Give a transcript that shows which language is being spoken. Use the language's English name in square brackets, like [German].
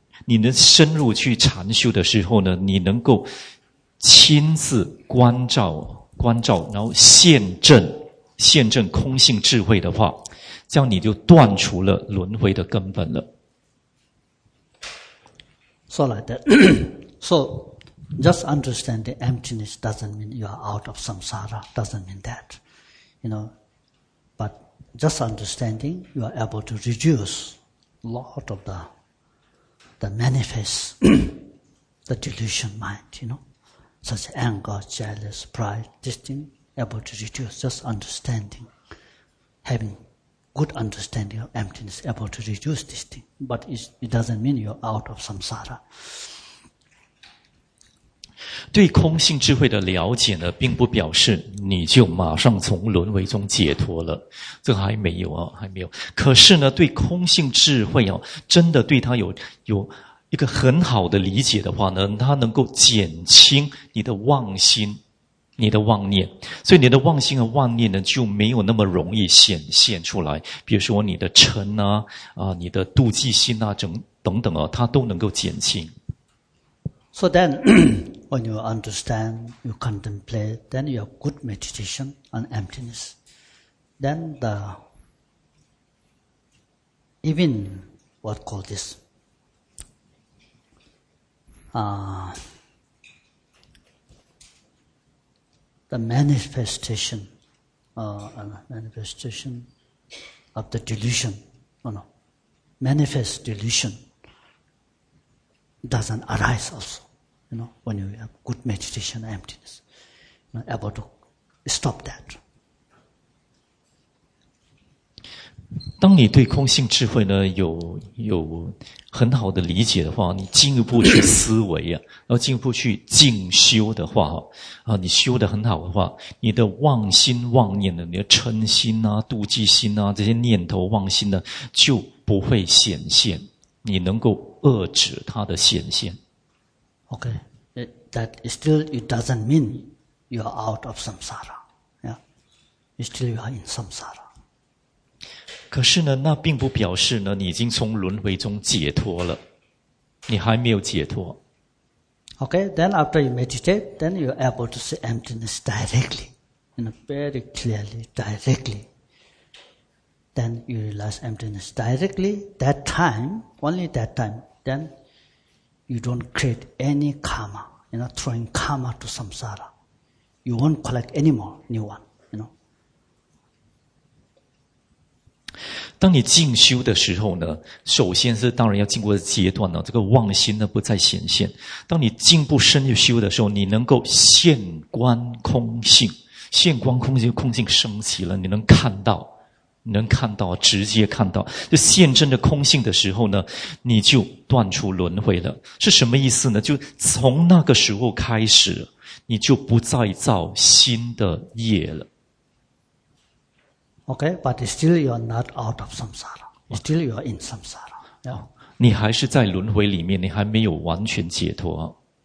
[Chinese] 能深入去禅修的时候呢，你能够亲自关照然后现证空性智慧的话，这样你就断除了轮回的根本了。 [English] So like that. So, just understand the emptiness doesn't mean you are out of samsara, doesn't mean that. You know, but just understanding, you are able to reduce a lot of the manifest, the delusion mind, you know, such as anger, jealous, pride, this thing, able to reduce, just understanding, having good understanding of emptiness, able to reduce this thing. But it doesn't mean you're out of samsara. [Chinese] 对空性智慧的了解呢，并不表示你就马上从轮回中解脱了，这还没有啊，还没有。可是呢，对空性智慧啊，真的对它有一个很好的理解的话呢，它能够减轻你的妄心。你的妄念，所以你的妄心和妄念呢，就没有那么容易显现出来。比如说你的嗔啊，你的妒忌心啊，等等啊，它都能够减轻。 [English] So then, when you understand, you contemplate, then you have good meditation on emptiness. Then the even what call this the manifestation, manifestation of the delusion, manifest delusion doesn't arise also, you know, when you have good meditation, emptiness, you know, able to stop that. [Chinese] 当你对空性智慧呢有很好的理解的话，你进一步去思维啊，然后进一步去进修的话啊，你修得很好的话，你的妄心妄念的，你的嗔心啊、妒忌心啊这些念头妄心呢，就不会显现，你能够遏止它的显现。 [English] Okay, that still it doesn't mean you are out of samsara. Yeah, you still are in samsara. [Chinese] 可是呢，那并不表示呢，你已经从轮回中解脱了，你还没有解脱。 [English] Okay, then after you meditate, then you are able to see emptiness directly, you know, very clearly, directly. Then you realize emptiness directly. That time, only that time, then you don't create any karma, you know, throwing karma to samsara. You won't collect any more new one. [Chinese] 当你进修的时候呢，首先是当然要经过的阶段呢，这个妄心呢不再显现。当你进步深入修的时候，你能够现观空性，现观空性，空性升起了，你能看到，直接看到，就现真的空性的时候呢，你就断除轮回了。是什么意思呢？就从那个时候开始，你就不再造新的业了。 [English] Okay, but still you are not out of samsara. Still you are in samsara. Yeah. [Chinese] 你还是在轮回里面，你还没有完全解脱。